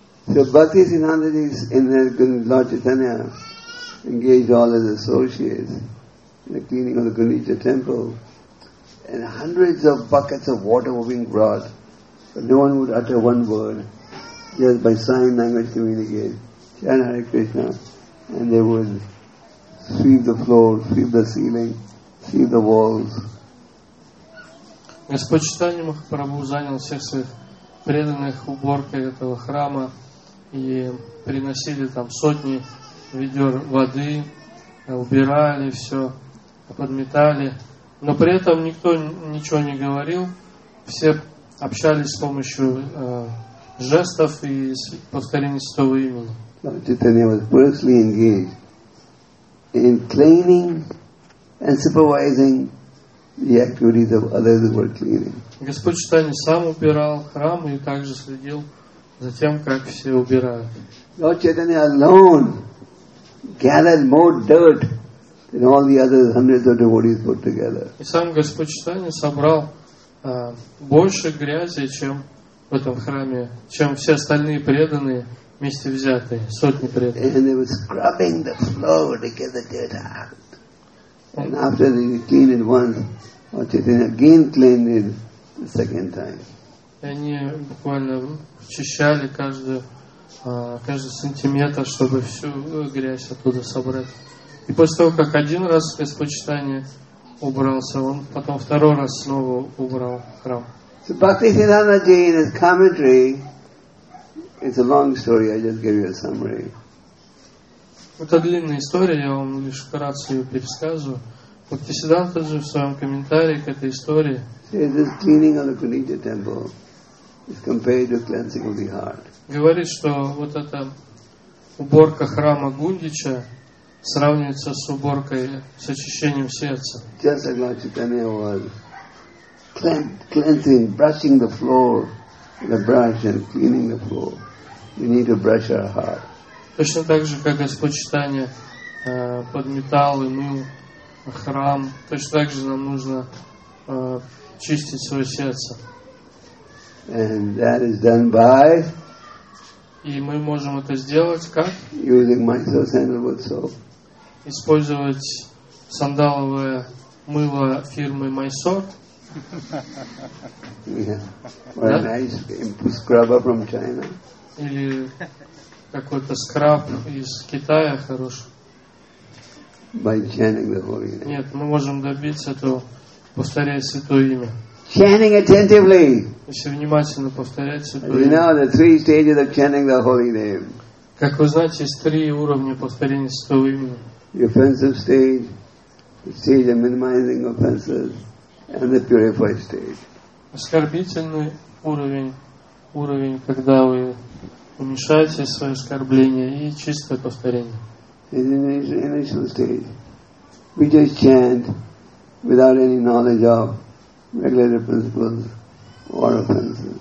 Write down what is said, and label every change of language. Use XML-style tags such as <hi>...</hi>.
<en>So Bhakti Sinanda is in the Lord Chaitanya engaged all his associates in the cleaning of the Gundicha temple, and hundreds of buckets of water were being brought, but no one would utter one word, just by sign language communicate, chant Hare Krishna, and they would sweep the floor, sweep the ceiling, sweep the walls.</en> <ru>Господь Чайтанья Махапрабху занял всех своих преданных уборкой этого храма, и приносили там сотни ведер воды, убирали все, подметали, но при этом никто ничего не говорил, все общались с помощью жестов и повторения святого имени.</ru> <en>Chaitanya was personally engaged in cleaning and supervising the activities of others who were cleaning.</en> <ru>Господь Чайтанья сам убирал храм и также следил за тем, как все убирают.</ru> <en>Lord Chaitanya alone gathered more dirt than all the other hundreds of devotees put together.</en> <ru>И сам Господь Чайтанья собрал больше грязи, чем в этом храме, чем все остальные преданные вместе взятые, сотни преданных.</ru> <en>And they were scrubbing the floor to get the dirt out. And after they cleaned it once, Lord Chaitanya again cleaned it the second time.</en> <ru>И они буквально чищали каждый сантиметр, чтобы всю грязь оттуда собрать. И после того, как один раз Господь Чайтанья убрался, он потом второй раз снова убрал храм.</ru> <en>So Bhakti Siddhanta Ji in his commentary, it's a long story, I just give you a summary.</en> <ru>Это длинная история, я вам лишь вкратце ее пересказываю. Бхакти Сиддханта Ji в своем комментарии к этой истории.</ru> <en>It is cleaning of the Gundicha temple. It's compared to cleansing of the heart.</en> <ru>Говорит, что вот эта уборка храма Гундича сравнивается с уборкой, с очищением сердца.</ru> <en>Just like Lord Chaitanya was cleansing, brushing the floor with a brush and cleaning the floor. We need to brush our heart.</en> <ru>Точно так же, как Господь Чайтанья подметал и мыл храм, точно так же нам нужно чистить свое сердце.</ru> <en>And that is done by.</en> <ru>И мы можем это сделать как?</ru> <en>Using myself sandalwood soap.</en> <ru>Использовать сандаловое мыло фирмы Mysore.</ru> <en>Yeah. Or a nice scrubber from China.</en> <ru>Или какой-то скраб из Китая хорош.</ru> <en>By chanting the holy name.</en> <ru>Нет, мы можем добиться этого, повторяя святое имя.</ru> <en>Chanting attentively.</en> <ru>Если внимательно повторять святое имя.</ru> <en>You know the three stages of chanting the holy name.</en> <ru>Как вы знаете, есть три уровня повторения святого имени.</ru> <en>The offensive stage, the stage of minimizing offenses, and the purified state.</en> <ru>Оскорбительный уровень, когда вы уменьшаете свое оскорбление и чистое повторение.</ru> <en>It is an initial state. We just chant without any knowledge of regulated principles or offenses.</en>